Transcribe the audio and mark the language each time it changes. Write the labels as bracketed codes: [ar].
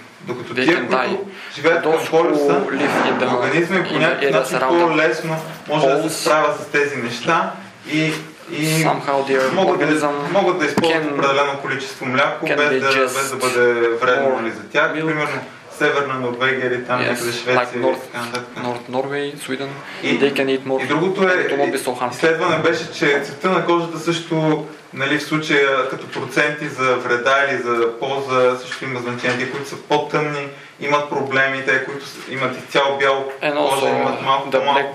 [bg] Докато тия, които живеят към полюса, да организми по някакъв начин по-лесно може да се справят с тези неща и, и могат да използват определено количество мляко, без да бъде вредно или за тях. [en] Milk. [bg] Примерно Северна Норвегия или там, някъде Швеция или така. [en] North Norway, Sweden, they can eat more. [bg] И другото е, изследване беше, че цвета на кожата също, нали, в случая като проценти за вреда или за полза също има значение. Те, които са по-тъмни, имат проблеми, те, които имат изцяло бяло кожа, имат малко по-малко